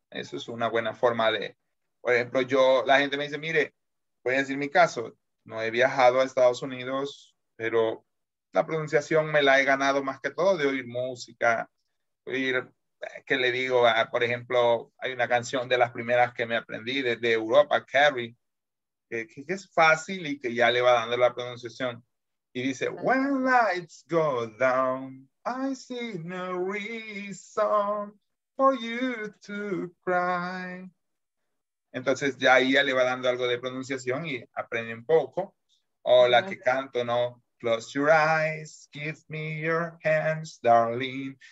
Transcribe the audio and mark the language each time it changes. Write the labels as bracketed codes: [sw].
[es] Eso es una buena forma de, por ejemplo, yo, la gente me dice, mire, voy a decir mi caso, no he viajado a Estados Unidos, pero la pronunciación me la he ganado más que todo de oír música, oír, ¿qué le digo? Por ejemplo, hay una canción de las primeras que me aprendí desde Europa, Carrie, que es fácil y que ya le va dando la pronunciación. Y dice, [en] when lights go down, I see no reason for you to cry. [es] Entonces ya ahí ya le va dando algo de pronunciación y aprende un poco. O la que canto, ¿no? [en] Close your eyes, give me your hands, darling.